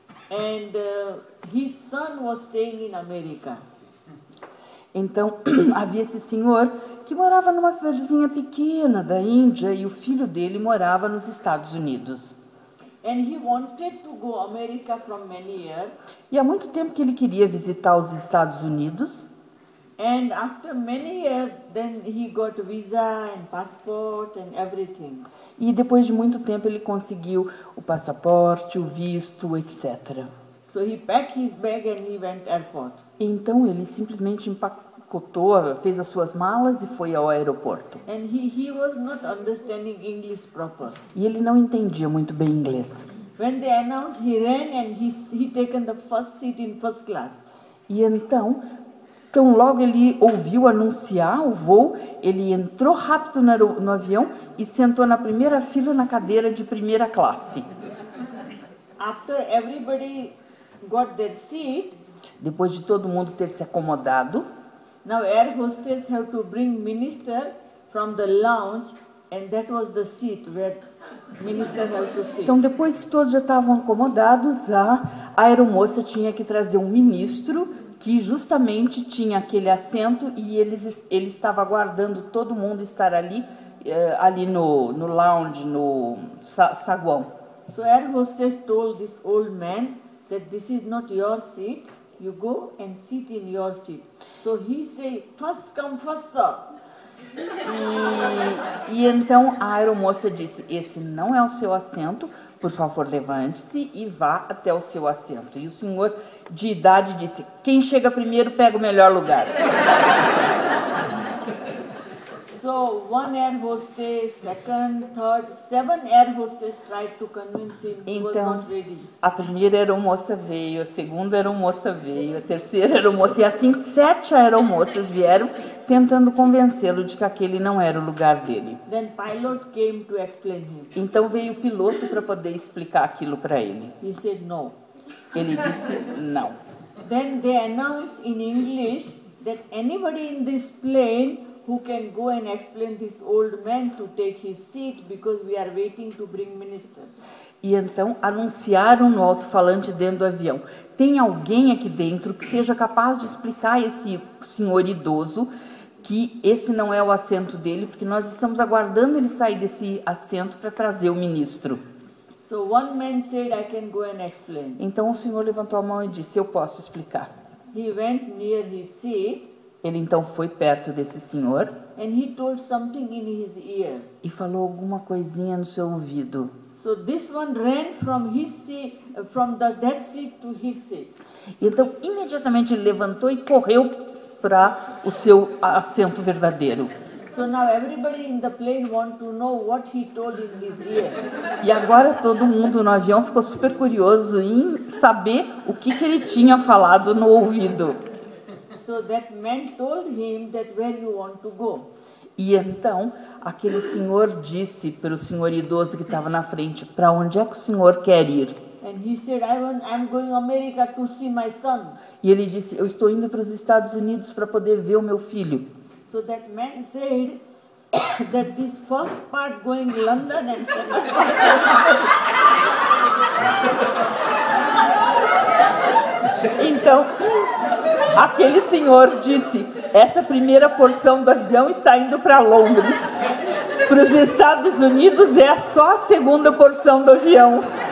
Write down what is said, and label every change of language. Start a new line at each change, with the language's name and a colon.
English: And his son was staying in America.
Portuguese: Então, havia esse senhor que morava numa cidadezinha pequena da Índia e o filho dele morava nos Estados Unidos.
English: And he wanted to go America from many years.
Portuguese: E há muito tempo que ele queria visitar os Estados Unidos.
English: And after many years, then he got visa and passport and everything.
Portuguese: E depois de muito tempo ele conseguiu o passaporte, o visto, etc.
English: So he packed his bag and he went to airport.
Portuguese: Então ele simplesmente empacotou, fez as suas malas e foi ao aeroporto.
English: And he was not understanding English proper.
Portuguese: E ele não entendia muito bem inglês.
English: When they announced, he ran and he taken the first seat in first class.
Portuguese: E então, tão logo ele ouviu anunciar o voo, ele entrou rápido no avião e sentou na primeira fila na cadeira de primeira classe.
English: After everybody got their seat,
Portuguese: depois de todo mundo ter se acomodado,
English: now air hostess have to bring minister from the lounge and that was the seat where minister had to sit.
Portuguese: Então depois que todos já estavam acomodados, a aeromoça tinha que trazer um ministro que justamente tinha aquele assento e ele estava aguardando todo mundo estar ali. Ali no lounge, no saguão.
English: So air hostess told this old man that this is not your seat, you go and sit in your seat. So he say, first come, first serve.
Portuguese: E então a aeromoça disse, esse não é o seu assento, por favor levante-se e vá até o seu assento. E o senhor de idade disse, quem chega primeiro pega o melhor lugar.
English: So one air hostess, second, third, seven air hostess tried to convince him he
Portuguese: então,
English: was not ready.
Portuguese: A primeira aeromoça veio, a segunda aeromoça veio, a terceira aeromoça e assim sete aeromoças vieram tentando convencê-lo de que aquele não era o lugar dele.
English: Then pilot came to explain him.
Portuguese: Então veio o piloto para poder explicar aquilo para ele.
English: He said no.
Portuguese: Ele disse não.
English: Then they announced in English that anybody in this plane who can go and explain this old man to take his seat because we are waiting to bring minister.
Portuguese: E então anunciaram no alto-falante dentro do avião. Tem alguém aqui dentro que seja capaz de explicar a esse senhor idoso que esse não é o assento dele, porque nós estamos aguardando ele sair desse assento para trazer o ministro.
English: So one man said I can go and explain.
Portuguese: Então o senhor levantou a mão e disse, eu posso explicar.
English: He went near his seat
Portuguese: Ele então foi perto desse senhor.
English: And he told something in his ear.
Portuguese: E falou alguma coisinha no seu ouvido.
English: So this one ran from his seat, from the dead seat to his seat.
Portuguese: Então imediatamente ele levantou e correu para o seu assento verdadeiro.
English: So now everybody in the plane want to know what he told in his ear.
Portuguese: E agora todo mundo no avião ficou super curioso em saber o que que ele tinha falado no ouvido.
English: So that man told him that where you want to go.
Portuguese: E então aquele senhor disse para o senhor idoso que estava na frente, para onde é que o senhor quer ir?
English: And he said, I'm going to America to see my son.
Portuguese: E ele disse, eu estou indo para os Estados Unidos para poder ver o meu filho.
English: So that man said that this first part going London and second part.
Portuguese: Então aquele senhor disse, essa primeira porção do avião está indo para Londres. Para os Estados Unidos é só a segunda porção do avião.